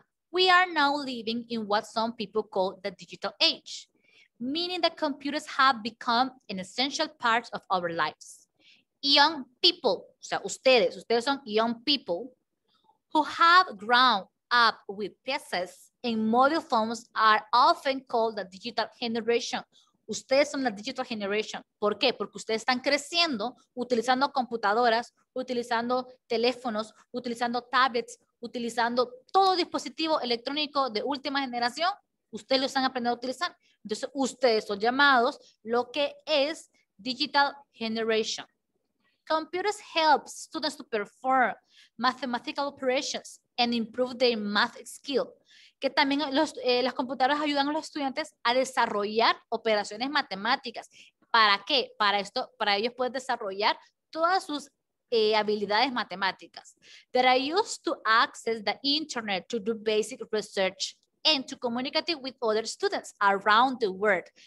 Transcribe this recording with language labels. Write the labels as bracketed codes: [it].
[en] We are now living in what some people call the digital age, meaning that computers have become an essential part of our lives. Young people, [es] o sea, [en] ustedes son young people, who have grown up with PCs and mobile phones are often called the digital generation. [es] Ustedes son la digital generation. ¿Por qué? Porque ustedes están creciendo utilizando computadoras, utilizando teléfonos, utilizando tablets, utilizando todo dispositivo electrónico de última generación. Ustedes lo están aprendiendo a utilizar. Entonces, ustedes son llamados lo que es digital generation. [en] Computers help students to perform mathematical operations and improve their math skill. [es] Que también las computadoras ayudan a los estudiantes a desarrollar operaciones matemáticas. ¿Para qué? Para esto, para ellos poder desarrollar todas sus habilidades matemáticas. [en] That are used to access the internet to do basic research and to communicate with other students around the world.